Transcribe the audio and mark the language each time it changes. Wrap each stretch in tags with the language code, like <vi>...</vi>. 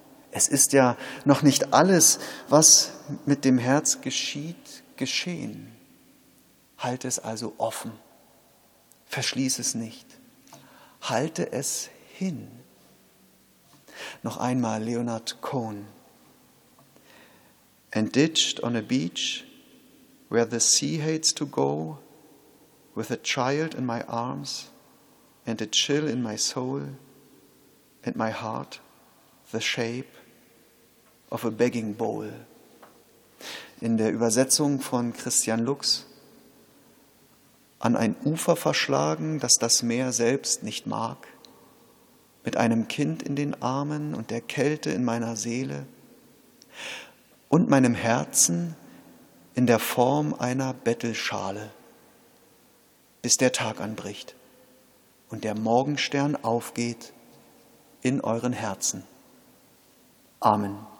<de>Es ist ja noch nicht alles, was mit dem Herz geschieht, geschehen. Halte es also offen. Verschließe es nicht. Halte es hin. Noch einmal Leonard Cohen.</de> <en>And ditched on a beach where the sea hates to go, with a child in my arms and a chill in my soul and my heart, the shape of a begging bowl.</en> <de>In der Übersetzung von Christian Lux: An ein Ufer verschlagen, das das Meer selbst nicht mag, mit einem Kind in den Armen und der Kälte in meiner Seele und meinem Herzen in der Form einer Bettelschale, bis der Tag anbricht und der Morgenstern aufgeht in euren Herzen. Amen.</de>